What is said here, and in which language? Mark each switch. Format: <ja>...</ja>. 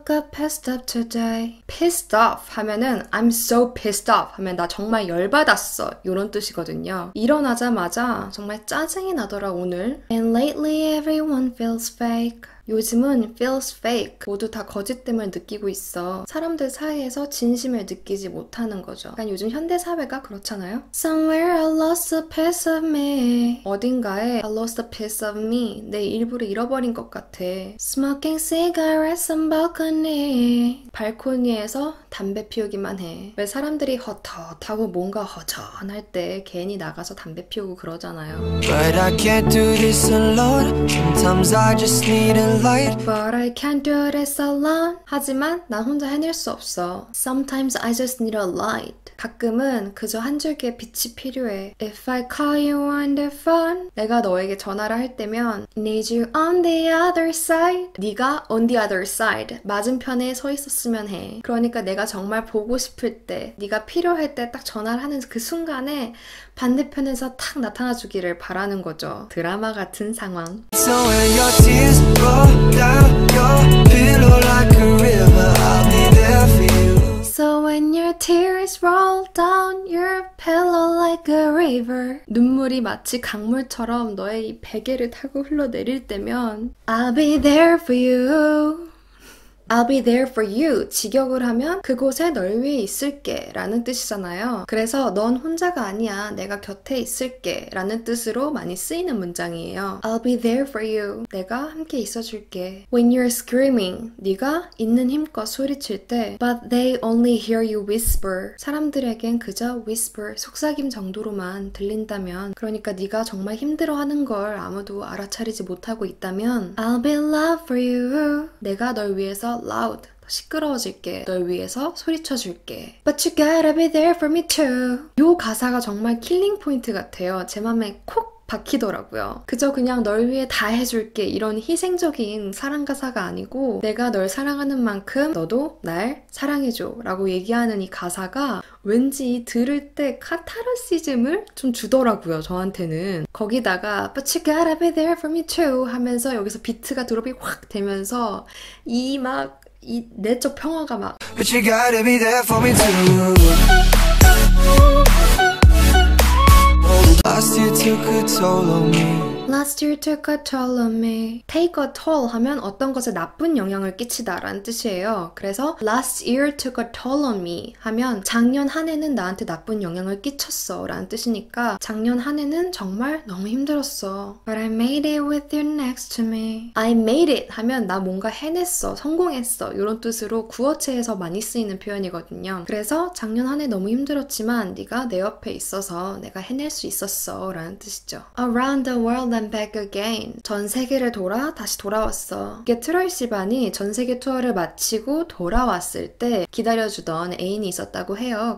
<en>Pissed off today. Pissed off</en> <ko>하면은</ko> <en>I'm so pissed off</en> <ko>하면 나 정말 열받았어 이런 뜻이거든요. 일어나자마자 정말 짜증이 나더라 오늘.</ko> <en>And lately everyone feels fake.</en> <ko>요즘은</ko> <en>feels fake.</en> <ko>모두 다 거짓됨을 느끼고 있어. 사람들 사이에서 진심을 느끼지 못하는 거죠. 약간 요즘 현대사회가 그렇잖아요?</ko> <en>Somewhere I lost a piece of me.</en> <ko>어딘가에</ko> <en>I lost a piece of me.</en> <ko>내 일부를 잃어버린 것 같아.</ko> <en>Smoking cigarettes on balcony.</en> <ko>발코니에서 담배 피우기만 해. 왜 사람들이 헛헛하고 뭔가 허전할 때 괜히 나가서 담배 피우고 그러잖아요.</ko> <en>But I can't do this alone. Sometimes I just need a light. But I can't do this alone.</en> <ko>하지만 난 혼자 해낼 수 없어.</ko> <en>Sometimes I just need a light.</en> <ko>가끔은 그저 한 줄기의 빛이 필요해.</ko> <en>If I call you on the phone.</en> <ko>내가 너에게 전화를 할 때면</ko> <en>Need you on the other side.</en> <ko>네가</ko> <en>on the other side.</en> <ko>맞은편에 서 있었으면 해. 그러니까 내가 정말 보고 싶을 때, 네가 필요할 때딱 전화를 하는 그 순간에 반대편에서 탁 나타나 주기를 바라는 거죠. 드라마 같은 상황.</ko> <en>So when your tears roll down your pillow like a river, I'll be there for you. So when your tears roll down your pillow like a river.</en> <ko>눈물이 마치 강물처럼 너의 이 베개를 타고 흘러내릴 때면</ko> <en>I'll be there for you. I'll be there for you.</en> <ko>직역을 하면 그곳에 널 위해 있을게 라는 뜻이잖아요. 그래서 넌 혼자가 아니야. 내가 곁에 있을게 라는 뜻으로 많이 쓰이는 문장이에요.</ko> <en>I'll be there for you.</en> <ko>내가 함께 있어줄게.</ko> <en>When you're screaming.</en> <ko>네가 있는 힘껏 소리칠 때.</ko> <en>But they only hear you whisper.</en> <ko>사람들에겐 그저 whisper, 속삭임 정도로만 들린다면. 그러니까 네가 정말 힘들어하는 걸 아무도 알아차리지 못하고 있다면.</ko> <en>I'll be loud for you.</en> <ko>내가 널 위해서 loud, 시끄러워질게. 널 위해서 소리쳐줄게.</ko> <en>But you gotta be there for me too.</en> <ko>요 가사가 정말 킬링 포인트 같아요. 제 맘에 콕 박히더라고요. 그저 그냥 널 위해 다 해줄게. 이런 희생적인 사랑 가사가 아니고, 내가 널 사랑하는 만큼 너도 날 사랑해줘. 라고 얘기하는 이 가사가 왠지 들을 때 카타르시즘을 좀 주더라고요, 저한테는. 거기다가</ko> <en>But you gotta be there for me too</en> <ko>하면서 여기서 비트가 드롭이 확 되면서 이막이 내적 평화가 막</ko> <en>But you gotta be there for me too. Last year took a toll on me. Last year took a toll on me. Take a toll</en> <ko>하면 어떤 것에 나쁜 영향을 끼치다라는 뜻이에요. 그래서</ko> <en>Last year took a toll on me</en> <ko>하면 작년 한 해는 나한테 나쁜 영향을 끼쳤어라는 뜻이니까 작년 한 해는 정말 너무 힘들었어.</ko> <en>But I made it with you next to me. I made it</en> <ko>하면 나 뭔가 해냈어, 성공했어 이런 뜻으로 구어체에서 많이 쓰이는 표현이거든요. 그래서 작년 한해 너무 힘들었지만 네가 내 옆에 있어서 내가 해낼 수 있었어라는 뜻이죠.</ko> <en>Around the world. And back again.</en> <ko>전 세계를 돌아 다시 돌아왔어. 이게 트로이 시반이 전 세계 투어를 마치고 돌아왔을 때 기다려주던 애인이 있었다고 해요.</ko>